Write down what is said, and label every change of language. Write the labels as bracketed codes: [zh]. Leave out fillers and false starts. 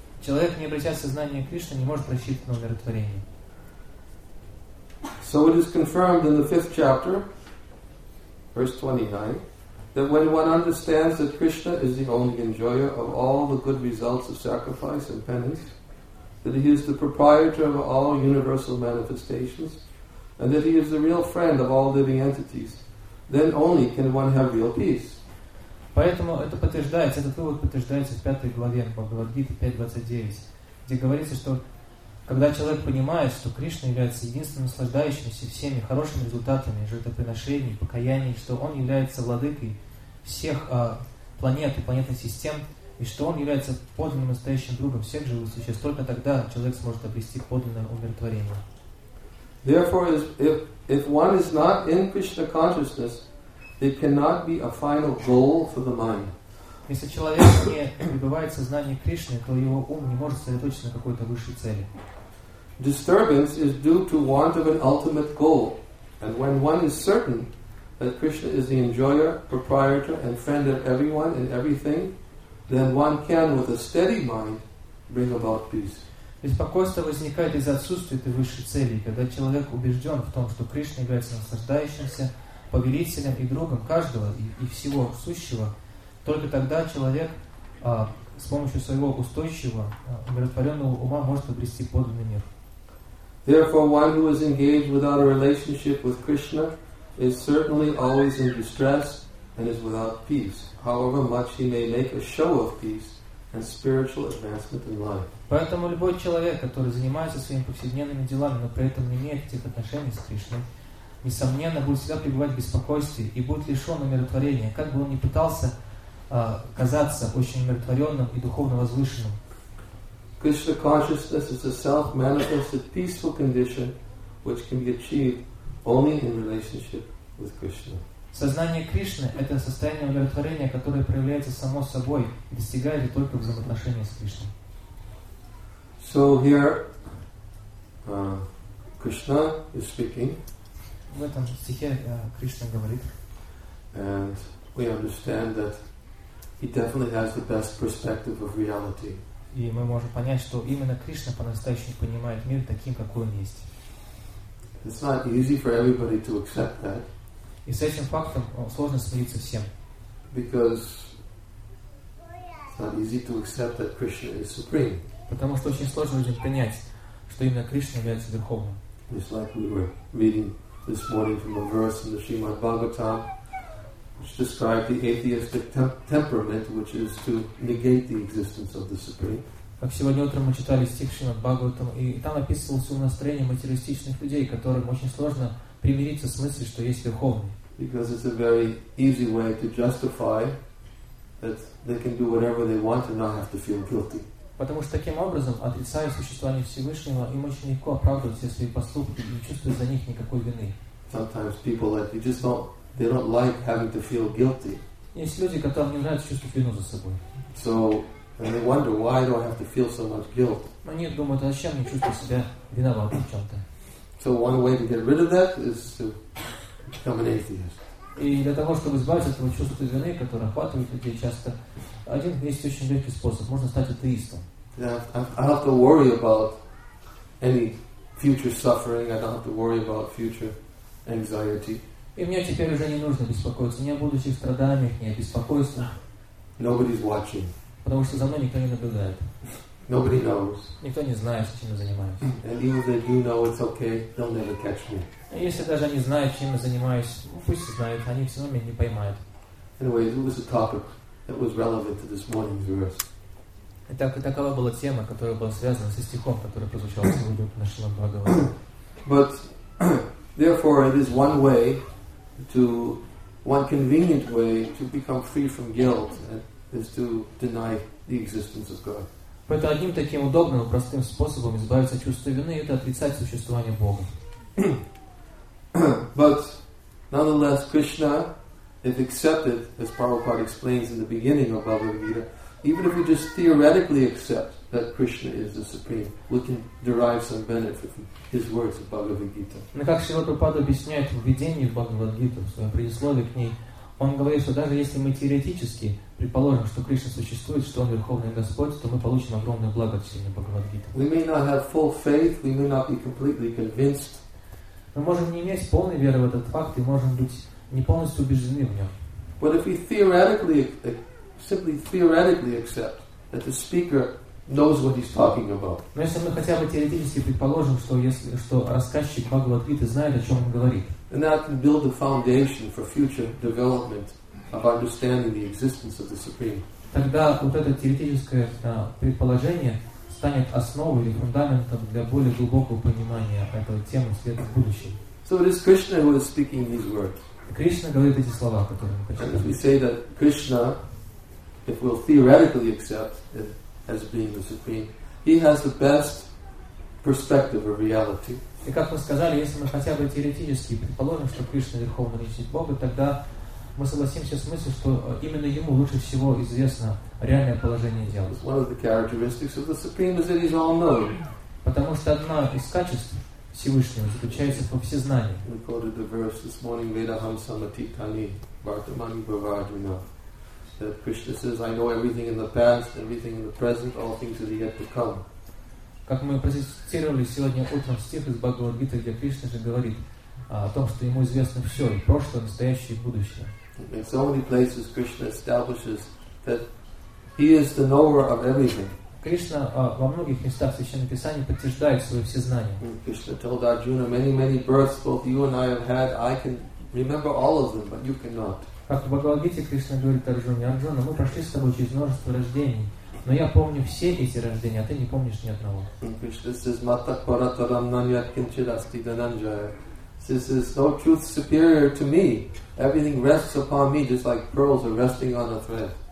[ru] Человек, не обретя сознание Кришны, не может рассчитывать на умиротворение. [en] So it is confirmed in the fifth chapter, verse 29, that when one understands that Krishna is the only enjoyer of all the good results of sacrifice and penance, that he is the proprietor of all universal manifestations, and that he is the real friend of all living entities, then only can one have real peace. [ru] Поэтому это подтверждается, этот вывод подтверждается в пятой главе Бхагавад-гиты 5.29, где говорится, что когда человек понимает, что Кришна является единственным наслаждающимся всеми хорошими результатами жертвоприношений, покаяний, что он является владыкой всех планет и планетных систем, и что он является подлинным настоящим другом всех живых существ. Только тогда человек сможет обрести подлинное умиротворение. [en] Therefore, if one is not in Krishna consciousness, there cannot be a final goal for the mind. [ru] Если человек не пребывает в сознании Кришны, то его ум не может сосредоточиться на какой-то высшей цели. [en] Disturbance is due to want of an ultimate goal. And when one is certain that Krishna is the enjoyer, proprietor, and friend of everyone and everything, then one can, with a steady mind, bring about peace. [ru] Беспокойство возникает из-за отсутствия этой высшей цели. Когда человек убежден в том, что Кришна является наслаждающимся, повелителем и другом каждого и всего сущего, только тогда человек с помощью своего устойчивого, умиротворенного ума может обрести подлинный мир. [en] Therefore, one who is engaged without a relationship with Krishna is certainly always in distress and is without peace, however much he may make a show of peace and spiritual advancement in life. [ru] Поэтому любой человек, который занимается своими повседневными делами, но при этом не имеет этих отношений с Кришной, несомненно, будет всегда пребывать в беспокойстве и будет лишен умиротворения, как бы он ни пытался казаться очень умиротворенным и духовно возвышенным. [en] Krishna consciousness is a self-manifested peaceful condition which can be achieved only in relationship with Krishna. [ru] Сознание Кришны – это состояние умиротворения, которое проявляется само собой и достигается только в взаимоотношении с Кришной. [en] So here Krishna is speaking. [ru] В этом стихе Кришна говорит. [en] And we understand that he definitely has the best perspective of reality. [ru] И мы можем понять, что именно Кришна по-настоящему понимает мир таким, какой он есть. [en] It's not easy for everybody to accept that. [ru] И с этим фактом сложно смириться всем. [en] Because it's not easy to accept that Krishna is supreme. [ru] Потому что очень сложно людям понять, что именно Кришна является верховным. [en] It's like we were reading this morning from a verse in the Srimad Bhagavatam, which describes the atheistic temperament, which is to negate the existence of the Supreme. [ru] Как сегодня утром мы читали стих Шримад Бхагаватам, и там описывалось настроение материалистичных людей, которым очень сложно примириться с мыслью, что есть Верховный. [en] Because it's a very easy way to justify that they can do whatever they want and not have to feel guilty. [ru] Потому что таким образом, отрицая существование Всевышнего, им очень легко оправдывать все свои поступки и не чувствовать за них никакой вины. [en] Sometimes people that you just don't They don't like having to feel guilty. [ru] Есть люди, которым не нравится чувствовать вину за собой. [en] So, and they wonder why do I have to feel so much guilt? [ru] Они думают, зачем мне чувствовать себя виноватым в чем-то. [en] So one way to get rid of that is to become an atheist. [ru] И для того, чтобы избавиться от этого чувства вины, которое охватывает людей часто, один есть очень легкий способ. Можно стать атеистом. [en] Yeah, I have to worry about any future suffering. I don't have to worry about future anxiety. [ru] И мне теперь уже не нужно беспокоиться ни о будущих страданиях, ни о беспокойствах. [en] Nobody's watching. [ru] Потому что за мной никто не наблюдает. [en] Nobody knows. [ru] Никто не знает, чем я занимаюсь. [en] And even if they do know, it's okay. They'll never catch me. [ru] Если даже они знают, чем я занимаюсь, пусть знают, они все равно меня не поймают. [en] Anyway, it was a topic that was relevant to this morning's verse. [ru] Итак, и такова была тема, которая была связана со стихом, который прозвучал сегодня в нашем благо. [en] But therefore, it is one way to one convenient way to become free from guilt is to deny the existence of God. [ru] Это одним таким удобным простым способом избавиться от чувства вины это отрицать существование Бога. [en] But nonetheless, Krishna, if accepted, as Prabhupada explains in the beginning of Bhagavad Gita, even if we just theoretically accept that Krishna is the Supreme, we can derive some benefit from his words of Bhagavad Gita. [ru] Но как Шрила Прабхупада объясняет в введении в Бхагавад Гиту, в своем предисловии к ней, он говорит, что даже если мы теоретически предположим, что Кришна существует, что Он Верховный Господь, то мы получим огромное благо от чтения Бхагавад Гиты. [en] We may not have full faith, we may not be completely convinced. [ru] Мы можем не иметь полной веры в этот факт и можем быть не полностью убеждены в нем. [en] But if we theoretically, simply theoretically accept that the speaker knows what he's talking about. [ru] Но если мы хотя бы теоретически предположим, что если что рассказчик Бхагавад Гиты знает, о чем он говорит. [en] Then that can build a foundation for future development of understanding the existence of the Supreme. [ru] Тогда вот это теоретическое предположение станет основой или фундаментом для более глубокого понимания этой темы света в будущем. [en] So it is Krishna who is speaking these words. [ru] Кришна говорит эти слова, которые мы читаем. [en] We say that Krishna if we'll theoretically accept it as being the Supreme, he has the best perspective of reality. [ru] И как мы сказали, если мы хотя бы теоретически предположим, что Кришна — Верховная Личность Бога, тогда мы согласимся с мыслью, что именно Ему лучше всего известно реальное положение дел. [en] One of the characteristics of the Supreme is that He's all-knowing. [ru] Потому что одно из качеств Всевышнего заключается во всезнании. [en] We quoted the verse this morning, [sa] Vedaham Samatitani, Vartamani Bhavarjuna, [en] that Krishna says, I know everything in the past, everything in the present, all things that are yet to come. [ru] Как мы процитировали сегодня утром стих из Бхагавад-гиты, где Кришна же говорит о том, что ему известно все, и прошлое, и настоящее, и будущее. [en] In so many places Krishna establishes that he is the knower of everything. [ru] Кришна во многих местах Священного Писания подтверждает свое всезнание. [en] Krishna told Arjuna, many, many births both you and I have had, I can remember all of them, but you cannot. [ru] Как в Бхагавад-гите Кришна говорит Арджуне, Арджуна, мы прошли с тобой через множество рождений, но я помню все эти рождения, а ты не помнишь ни одного. [en] Krishna says, [sa] Mata Parataram Nanyat Kinchirasti Dhananjaya. [en] This is no truth superior to me. Everything rests upon me, just like pearls are resting on a thread.